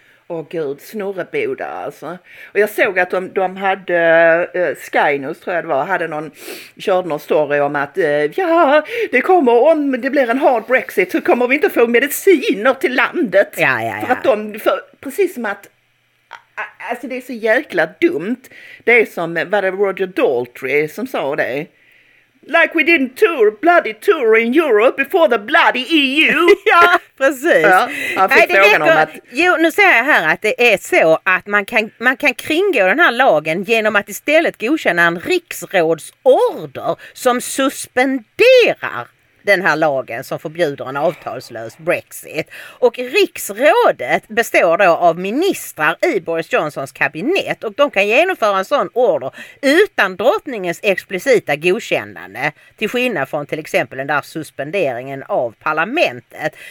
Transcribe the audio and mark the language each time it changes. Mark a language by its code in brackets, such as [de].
[sv] Åh gud, snurreboda alltså. Och jag såg att de hade Sky News, tror jag det var, hade någon, körde någon story om att ja, det kommer, om det blir en hard Brexit så kommer vi inte få mediciner till landet. Ja, ja, ja. För att de, för, precis som att alltså det är så jäkla dumt. Det är som, var det Roger Daltrey som sa det? [en] Like we didn't tour, bloody tour in Europe before the bloody EU. [sv] Ja, precis. Ja, nej, det räcker, om att... Jo, nu säger jag här att det är så att man kan kringgå den här lagen genom att istället godkänna en riksrådsorder som suspenderar den här lagen som förbjuder en avtalslös Brexit. Och riksrådet består då av ministrar i Boris Johnsons kabinett, och de kan genomföra en sån order utan drottningens explicita godkännande, till skillnad från till exempel den där suspenderingen av parlamentet.